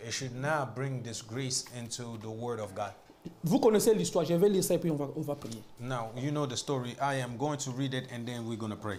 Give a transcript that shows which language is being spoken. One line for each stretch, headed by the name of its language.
English: It should not bring disgrace into the word of God.
French: Vous connaissez l'histoire, je vais lire ça et puis on va prier.
English: Now you know the story. I am going to read it and then we're going to pray.